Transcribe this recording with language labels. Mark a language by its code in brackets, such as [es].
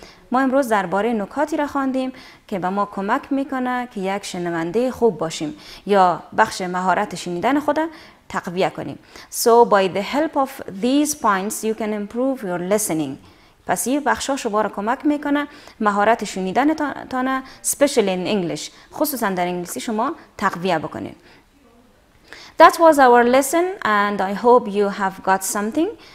[fa] ما امروز درباره نکاتی را خواندیم که به ما کمک میکنه که یک شنونده خوب باشیم یا بخش مهارت شنیدن خود تقویه کنیم. [en] So by the help of these points you can improve your listening. [fa] پس این بخش ها شما را کمک میکنه مهارت شنیدن تانه [en] especially in English، [fa] خصوصا در انگلیسی، شما تقویه بکنید. [en] That was our lesson and I hope you have got something.